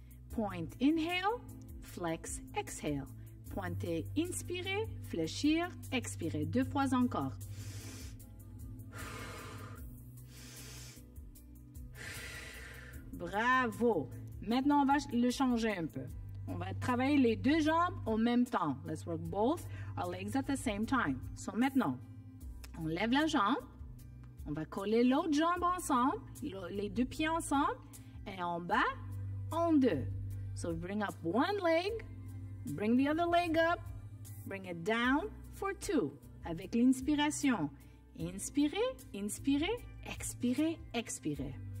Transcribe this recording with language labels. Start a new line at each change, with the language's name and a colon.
English: Point, inhale, flex, exhale.
French: Pointez, inspirez, fléchir, expirez. Deux fois encore. Bravo! Maintenant, on va le changer un peu. On va travailler les deux jambes en même temps.
English: Let's work both our legs at the same time.
French: So, maintenant, on lève la jambe. On va coller l'autre jambe ensemble, les deux pieds ensemble. Et en bas, en deux.
English: So, bring up one leg. Bring the other leg up. Bring it down for two.
French: Avec l'inspiration. Inspirez, inspirez, expirez, expirez.